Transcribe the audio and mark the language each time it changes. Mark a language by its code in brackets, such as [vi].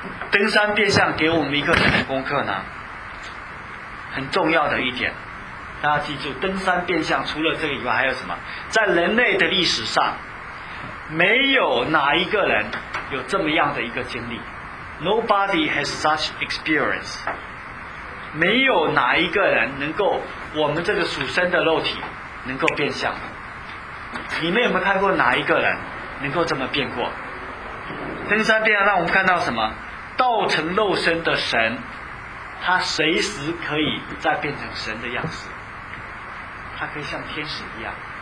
[zh] 登山变相给我们一个什么功课呢？很重要的一点，大家记住，登山变相除了这个以外还有什么？在人类的历史上，没有哪一个人有这么样的一个经历。 [en] Nobody has such experience。 [zh] 没有哪一个人能够，我们这个属生的肉体能够变相。你们有没有看过哪一个人能够这么变过？登山变相让我们看到什么？道成肉身的神，他随时可以再变成神的样子，他可以像天使一样。